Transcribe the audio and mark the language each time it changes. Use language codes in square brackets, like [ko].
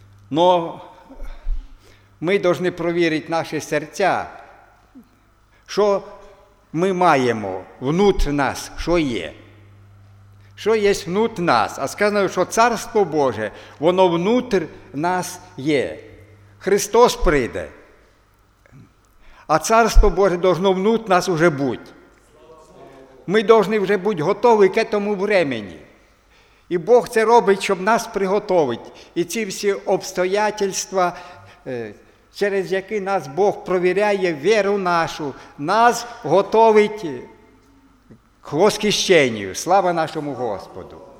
[uk] Но ми повинні перевірити наші серця, що ми маємо внутрі нас, що є. Що є внутрі нас? А сказано, що Царство Боже, воно внутрі нас є. Христос прийде, [ru] а Царство Боже должно внутрь нас уже быть. Мы должны уже быть готовы к этому времени. [uk] И Бог це робить, щоб нас приготовить. И ці всі обстоятельства, через які нас Бог провіряє веру нашу, [ru] нас готовить к воскрешению. [uk] Слава нашому Господу!